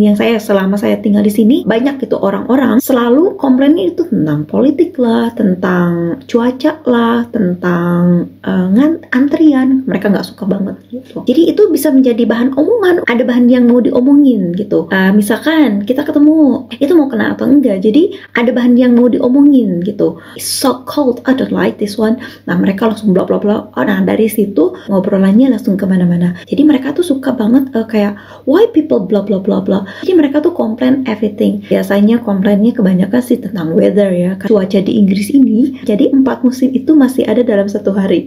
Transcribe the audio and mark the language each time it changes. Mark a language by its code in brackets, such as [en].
[id] Yang saya selama saya tinggal di sini, banyak itu orang-orang selalu komplainin itu tentang politik lah, tentang cuaca lah, tentang antrian. Mereka gak suka banget gitu. Jadi itu bisa menjadi bahan omongan. Ada bahan yang mau diomongin gitu. Misalkan kita ketemu, itu mau kena atau enggak. Jadi ada bahan yang mau diomongin gitu. [en] It's so cold, I don't like this one. [id] Nah, mereka langsung blah blah blah. Oh, nah dari situ ngobrolannya langsung kemana-mana. Jadi mereka tuh suka banget kayak [en] why people [id] blah blah blah blah. Jadi mereka tuh komplain everything. Biasanya komplainnya kebanyakan sih tentang weather ya. Cuaca di Inggris ini, jadi 4 musim itu masih ada dalam satu hari.